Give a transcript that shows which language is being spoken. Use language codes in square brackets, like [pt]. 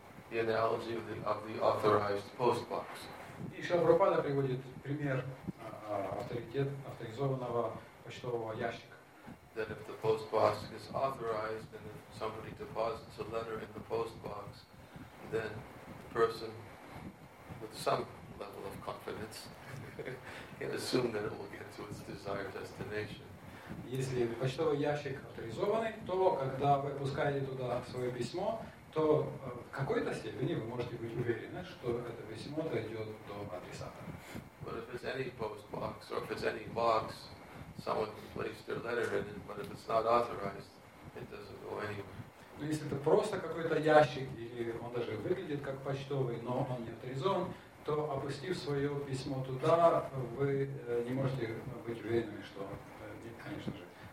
[en] The analogy of the authorized postbox. [ru] И Шрила Прабхупада приводит пример авторизованного почтового ящика. [en] That if the postbox is authorized and if somebody deposits a letter in the postbox, then the person with some level of confidence can assume that it will get to its desired destination. [ru] Если почтовый ящик авторизованный, то когда вы пускаете туда свое письмо, то в какой-то степени вы можете быть уверены, что это письмо дойдет до адресата. [en] But if it's any postbox or if it's any box, someone can place their letter in it, but if it's not authorized, it doesn't go anywhere. [ru] Но если это просто какой-то ящик, или он даже выглядит как почтовый, но он не авторизован, то опустив свое письмо туда, вы не можете быть уверены, что, конечно же,